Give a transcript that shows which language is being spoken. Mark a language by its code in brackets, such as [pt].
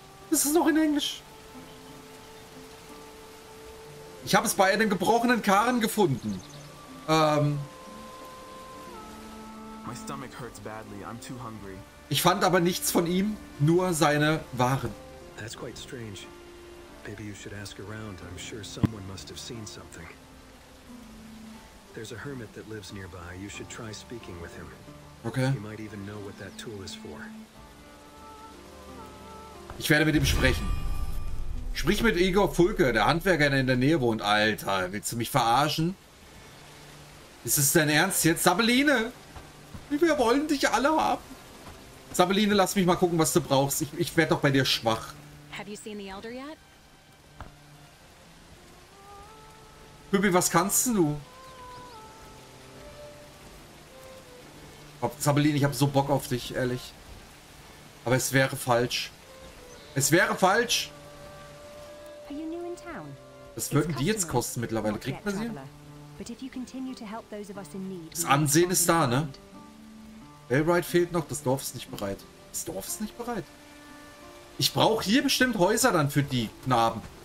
[de] Das ist noch in Englisch. Ich habe es bei einem gebrochenen Karren gefunden. [en] My stomach hurts badly. I'm too hungry. [de] Ich fand aber nichts von ihm, nur seine Waren. [en] That's quite strange. Maybe you should ask around. I'm sure someone must have seen something. There's a hermit that lives nearby. You should try speaking with him. Okay. He might even know what that tool is for. [de] Ich werde mit ihm sprechen. Sprich mit Igor Fulke, der Handwerker, der in der Nähe wohnt. Alter, willst du mich verarschen? Ist es dein Ernst jetzt? Sabeline! Wir wollen dich alle haben! Sabeline, lass mich mal gucken, was du brauchst. Ich werde doch bei dir schwach. [en] Have you seen the Elder yet? [de] Bibi, was kannst du? Sabeline, ich habe so Bock auf dich, ehrlich. Aber es wäre falsch. Es wäre falsch! [en] Are you new in town? [de] Was würden die jetzt kosten mittlerweile? Kriegt man sie? [en] But if you continue to help those of us in need, [de] das Ansehen ist da, ne? Bellride fehlt noch, das Dorf ist nicht bereit. Das Dorf ist nicht bereit. Ich brauche hier bestimmt Häuser dann für die Knaben.